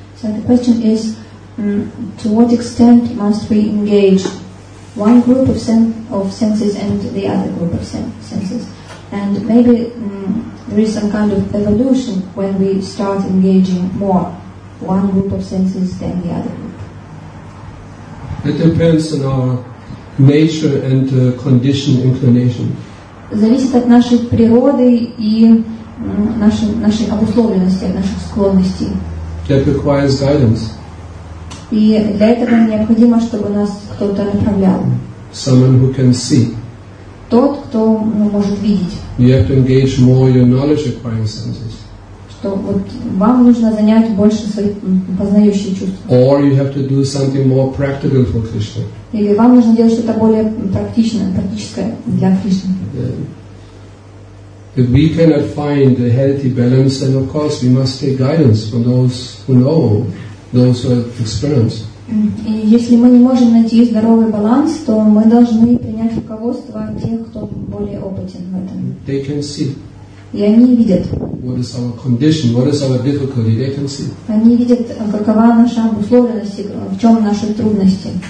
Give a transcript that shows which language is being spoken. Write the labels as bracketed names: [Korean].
[English] So the question is, to what extent must we engage one group of senses and the other group of senses? And maybe there is some kind of evolution when we start engaging more one group of senses than the other group. It depends on our nature and conditioned inclination. [Russian] Зависит от нашей природы и нашей обусловленности, наших склонностей. [English] That requires guidance. [Russian] И для этого необходимо, чтобы нас кто-то направлял. [English] Someone who can see. [Russian] Тот, кто может видеть. [English] You have to engage more your knowledge acquiring senses. [Russian] Что вот вам нужно занять больше свои познающие чувства. [English] Or you have to do something more practical for Krishna. [Russian] Или вам нужно делать что-то более практичное, практическое для Кришны. [English] if we cannot find a healthy balance, then of course we must take guidance from those who know, those who have experience. [Russian] Если мы не можем найти здоровый баланс, то мы должны принять руководство от тех, кто более опытен в этом. [English] They can see. [Russian] И они видят. [English] What is our condition? What is our difficulty? They can see. [Russian] Они видят, какова наша условленность, в чем наши трудности.